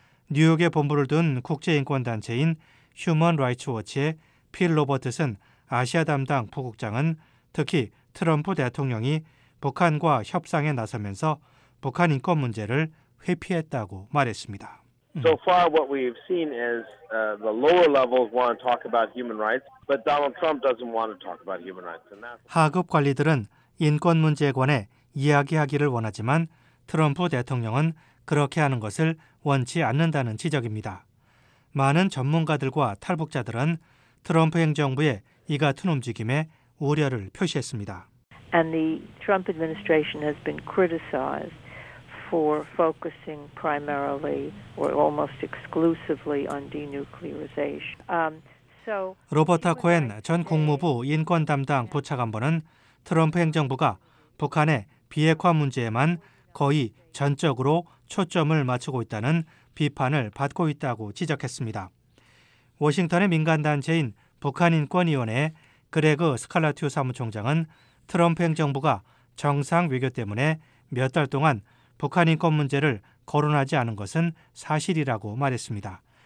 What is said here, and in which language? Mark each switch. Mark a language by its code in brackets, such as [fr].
[ko] 뉴욕에 본부를 둔 국제인권단체인 휴먼 라이츠 워치의 필 로버트슨 아시아 담당 부국장은 특히 트럼프 대통령이 북한과 협상에 나서면서 북한 인권 문제를 회피했다고 말했습니다. [en] So far what we've seen is the lower levels want to talk about human rights, but Donald Trump doesn't want to talk about human rights. [ko] 하급 관리들은 인권 문제에 관해 이야기하기를 원하지만 트럼프 대통령은 그렇게 하는 것을 원치 않는다는 지적입니다. 많은 전문가들과 탈북자들은 트럼프 행정부의 이 같은 움직임에 우려를 표시했습니다. [en] And the Trump administration has been criticized for focusing primarily or almost exclusively on denuclearization. So [ko] 로버타 코엔 전 국무부 인권 담당 부차관보는 트럼프 행정부가 북한의 비핵화 문제에만 거의 전적으로 초점을 맞추고 있다는 비판을 받고 있다고 지적했습니다. 워싱턴의 민간 단체인 북한인권위원회 그레그 스칼라티우 사무총장은 트럼프 행정부가 정상 외교 때문에 몇 달 동안 북한 인권 문제를 거론하지 않은 것은 사실이라고 말했습니다.